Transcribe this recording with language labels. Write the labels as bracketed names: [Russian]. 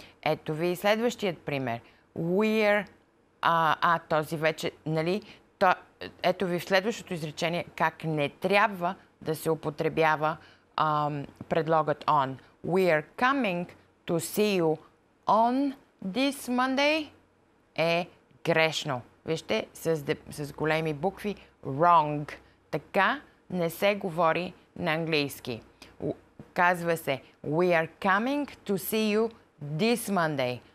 [Bulgarian] Ето ви следващият пример. We're, този вече, нали, то, ето ви в следващото изречение как не трябва да се употребява предлогът on. [English] We're coming to see you on this Monday [Bulgarian] е грешно. Вижте, с големи букви wrong. Така не се говори на английски. Казва се [English] We are coming to see you this Monday.